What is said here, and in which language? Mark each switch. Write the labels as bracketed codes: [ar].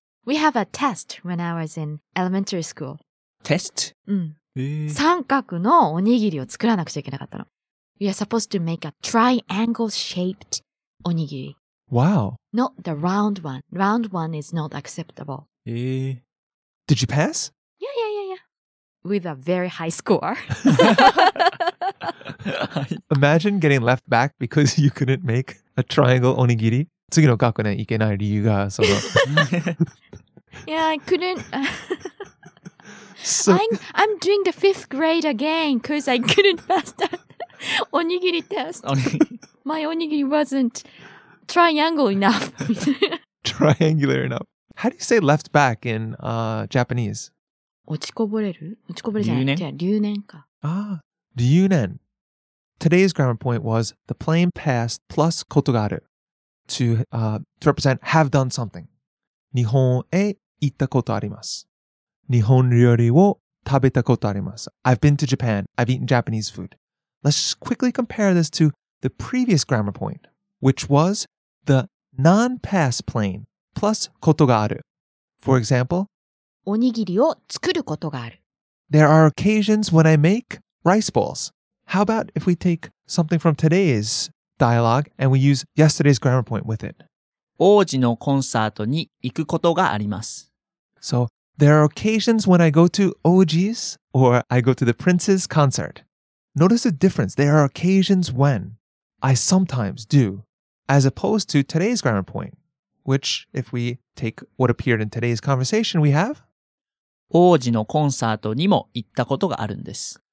[en] We have a test when I was in elementary school. Test? Mm. [ja] 三角のおにぎりを作らなくちゃいけなかったの。 [en] We are supposed to make a triangle-shaped onigiri. Wow. Not the round one. Round one is not acceptable. Did you pass? Yeah. With a very high score. Imagine getting left back because you couldn't make a triangle onigiri. [ja] 次の学校に行けない理由がその。 [en] Yeah, I couldn't... So, I'm doing the fifth grade again because I couldn't pass that onigiri test. My onigiri wasn't triangle enough. Triangular enough. How do you say left back in Japanese? [ja] 落ちこぼれる?落ちこぼれじゃない。留年か。 [en] Ah, 留年.Today's grammar point was the plain past plus ことがある to represent have done something. [ja] 日本へ行ったことあります。日本料理を食べたことあります。 [en] I've been to Japan. I've eaten Japanese food. Let's just quickly compare this to the previous grammar point, which was the non-past plain plus ことがある. For example, [ja] おにぎりを作ることがある. [en] There are occasions when I make rice balls. How about if we take something from today's dialogue and we use yesterday's grammar point with it? [ja] 王子のコンサートに行くことがあります. [en] So,There are occasions when I go to Oji's or I go to the Prince's concert. Notice the difference. There are occasions when I sometimes do, as opposed to today's grammar point, which if we take what appeared in today's conversation, we have [ja] 王子のコンサートにも行ったことがあるんです。